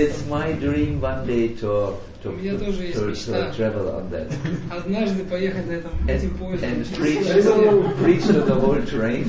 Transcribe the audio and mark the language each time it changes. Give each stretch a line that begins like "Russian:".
English: It's my dream one day to travel on that.
Russian: Однажды поехать на этом поезде.
English: And preach to the whole train.